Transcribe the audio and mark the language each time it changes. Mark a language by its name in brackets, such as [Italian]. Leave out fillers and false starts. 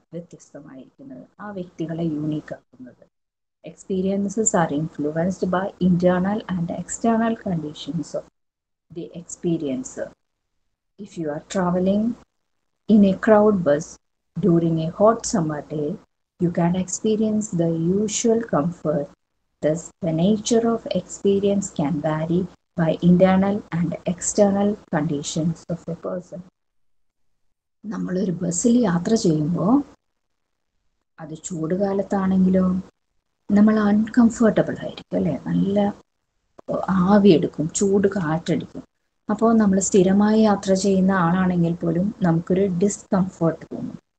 [Malayalam] വ്യത്യസ്തമായിരിക്കുന്നത്, ആ വ്യക്തികളെ യൂണീക്ക് ആക്കുന്നത്. [English] Experiences are influenced by internal and external conditions of the experience. If you are travelling in a crowd bus during a hot summer day, you can experience the usual comfort. Thus, the nature of experience can vary by internal and external conditions of a person. [Malayalam] നമ്മളൊരു ബസ്സിൽ യാത്ര ചെയ്യുമ്പോൾ, അത് ചൂട് കാലത്താണെങ്കിലോ, നമ്മൾ uncomfortable ആയിരിക്കും അല്ലേ, നല്ല ആവിയെടുക്കും, ചൂട് കാറ്റടിക്കും. അപ്പോൾ നമ്മൾ സ്ഥിരമായി യാത്ര ചെയ്യുന്ന ആളാണെങ്കിൽ പോലും നമുക്കൊരു ഡിസ്കംഫർട്ട് തോന്നും.